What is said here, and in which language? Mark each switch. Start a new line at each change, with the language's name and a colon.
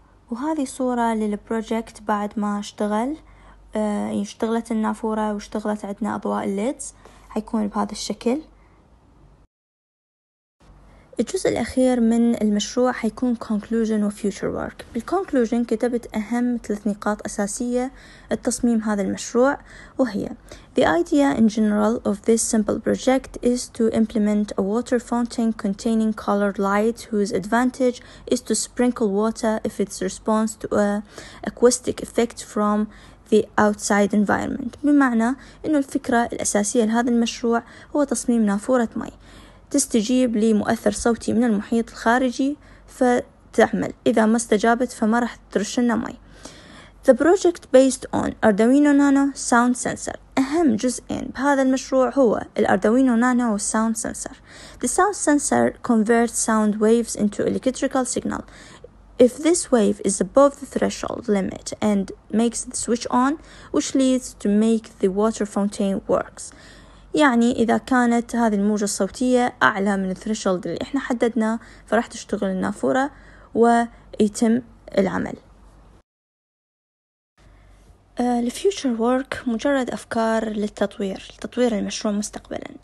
Arabic: وهذه صورة للبروجكت بعد ما اشتغل، اشتغلت النافورة واشتغلت عندنا أضواء الليدز، هيكون بهذا الشكل. الجزء الأخير من المشروع هيكون conclusion و future work. بالconclusion كتبت أهم 3 نقاط أساسية التصميم هذا المشروع، وهي
English: the idea in general of this simple project is to implement a water fountain containing colored light whose advantage is to sprinkle water if it's response to a acoustic effect from the outside environment.
Arabic: بمعنى إنه الفكرة الأساسية لهذا المشروع هو تصميم نافورة مي تستجيب لمؤثر صوتي من المحيط الخارجي فتعمل، إذا ما استجابت فما راح ترشلنا مي.
English: The project based on Arduino Nano sound sensor.
Arabic: أهم جزئين بهذا المشروع هو الأردوينو نانو والساوند سنسر.
English: The sound sensor converts sound waves into electrical signal. If this wave is above the threshold limit and makes the switch on, which leads to make the water fountain works.
Arabic: يعني إذا كانت هذه الموجة الصوتية أعلى من الثريشولد اللي إحنا حددنا فراح تشتغل النافورة ويتم العمل. الفيوتشر وورك مجرد أفكار للتطوير، لتطوير المشروع مستقبلاً.